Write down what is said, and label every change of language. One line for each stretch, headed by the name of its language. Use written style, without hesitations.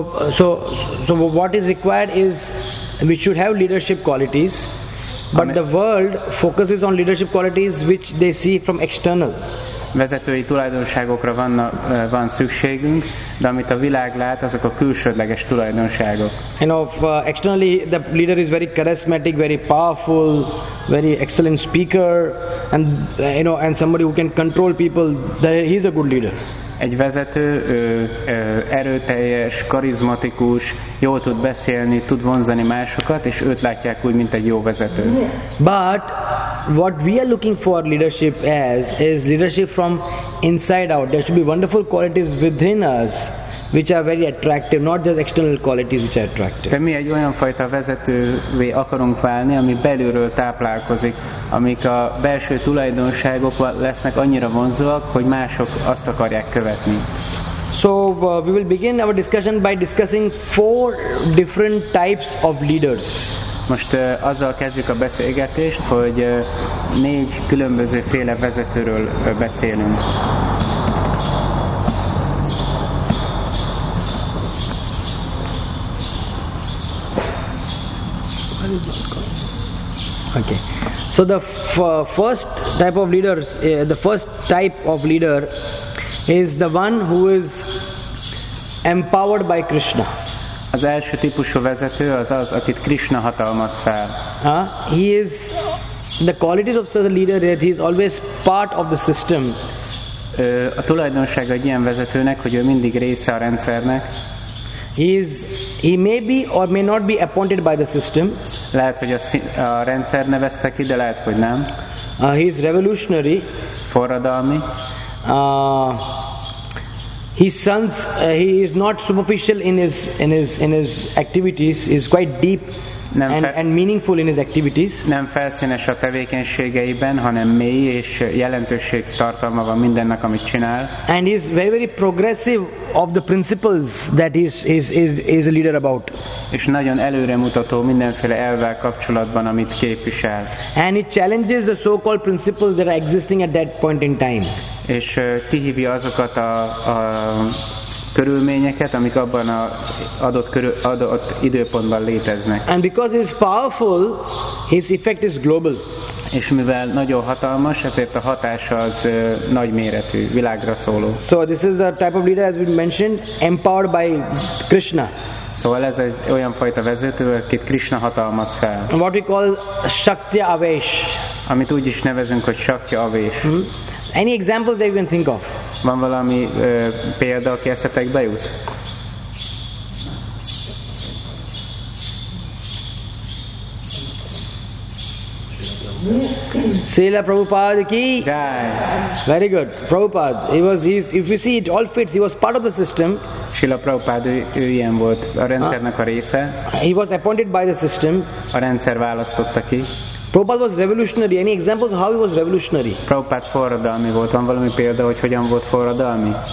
English: So what is required is we should have leadership qualities, but the world focuses on leadership qualities which they see from external.
Hungarian: Vezetői tulajdonságokra van szükségünk, de amit a világ lát, azok a külsődleges tulajdonságok.
English: You know, externally the leader is very charismatic, very powerful, very excellent speaker, and you know, and somebody who can control people, that he is a good leader.
Hungarian: Egy vezető erőteljes, karizmatikus, jól tud beszélni, tud vonzani másokat, és őt látják úgy, mint egy jó vezető.
English: But what we are looking for leadership as is leadership from inside out. There should be wonderful qualities within us which are very attractive, not just external qualities which are attractive.
Hungarian: De mi egy olyan fajta vezetővé akarunk válni, ami belülről táplálkozik, amik a belső tulajdonságok lesznek annyira vonzóak, hogy mások azt akarják követni.
English: So we will begin our discussion by discussing four different types of leaders.
Hungarian: Most azzal kezdjük a beszélgetést, hogy négy különböző féle vezetőről beszélünk.
English: Okay. So the first type of leaders, the first type of leader is the one who is empowered by Krishna.
Hungarian: Az első típusú vezető az az, akit Krishna hatalmaz fel.
English: He is the qualities of such a leader that he is always part of the system.
Hungarian: A tulajdonság egy ilyen vezetőnek, hogy ő mindig része a rendszernek.
English: He may be or may not be appointed by the system.
Hungarian: Lehet, hogy a rendszer nevezte ki, de lehet, hogy nem.
English: He is revolutionary.
Hungarian: Forradalmi.
English: He is not superficial in his activities. He is quite deep and meaningful in his activities.
Hungarian: Nem felszínes a tevékenységeiben, hanem mély és jelentőség tartalma van mindennek, amit csinál.
English: And he is very very progressive of the principles that is a leader about.
Hungarian: És nagyon előremutató mindenféle elvvel kapcsolatban, amit képvisel.
English: And he challenges the so-called principles that are existing at that point in time.
Hungarian: És kihívja azokat a körülményeket, amik abban az adott időpontban léteznek.
English: And because he is powerful, his effect is global.
Hungarian: És mivel nagyon hatalmas, ezért a hatása az nagy méretű, világra szóló.
English: So this is the type of leader, as we mentioned, empowered by Krishna.
Hungarian: Szóval ez egy olyan fajta vezető, akit Krishna hatalmaz fel.
English: What we call Shakti Avesh.
Hungarian: Amit úgy is nevezünk, hogy Shakti Avesh.
English: Any examples that you can think of?
Hungarian: Van valami példa, aki eszetekbe jut? Srila Prabhupada ki? Jai.
English: Very good. Prabhupada, if you see it all fits, he was part of the system.
Hungarian: Srila Prabhupada, ő ilyen volt, a rendszernek a része.
English: He was appointed by the system.
Hungarian: A rendszer választotta ki.
English: Prabhupada was revolutionary. Any examples of how he was revolutionary?
Hungarian: Prabhupada forradalmi volt. Van valami példa, hogy hogyan volt forradalmi?